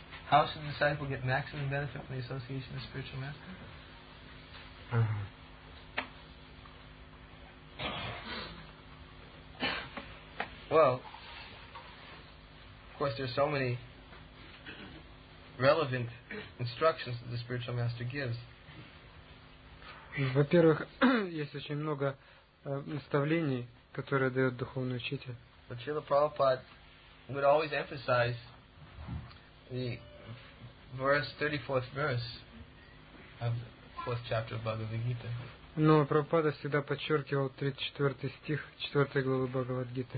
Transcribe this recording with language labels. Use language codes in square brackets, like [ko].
[en] How should the disciple get maximum benefit from the association of spiritual master? Well, of course, there's so many relevant instructions that the spiritual master gives. [ru] Во-первых, есть очень много наставлений, которые дает духовный учитель. [en] But Srila Prabhupada would always emphasize the verse, 34th verse of the fourth chapter of Bhagavad Gita. [ru] Но Прабхупада всегда подчеркивал 34 стих 4 главы Бхагавад-гиты.